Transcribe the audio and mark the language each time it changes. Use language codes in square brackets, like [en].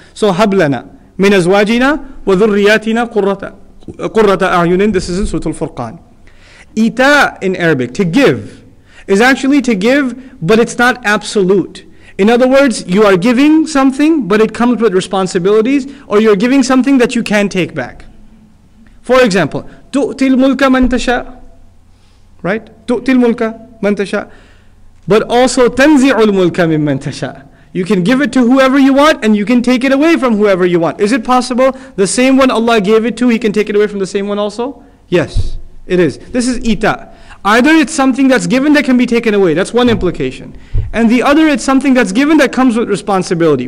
[ar] So hablana min azwajina wa dhurriyatina qurrata a'yunin. [en] This is in Surah Al-Furqan. Ita in Arabic, to give, is actually to give, but it's not absolute. In other words, you are giving something, but it comes with responsibilities, or you're giving something that you can take back. For example, [ar] تُؤْتِي الْمُلْكَ مَنْ تَشَاءُ. [en] Right? [ar] تُؤْتِي الْمُلْكَ مَنْ تَشَاءُ. [en] But also, [ar] تَنْزِعُ الْمُلْكَ مِمَّنْ تَشَاءُ. [en] You can give it to whoever you want, and you can take it away from whoever you want. Is it possible the same one Allah gave it to, He can take it away from the same one also? Yes, it is. This is إِتَاءُ. Either it's something that's given that can be taken away. That's one implication. And the other, it's something that's given that comes with responsibility.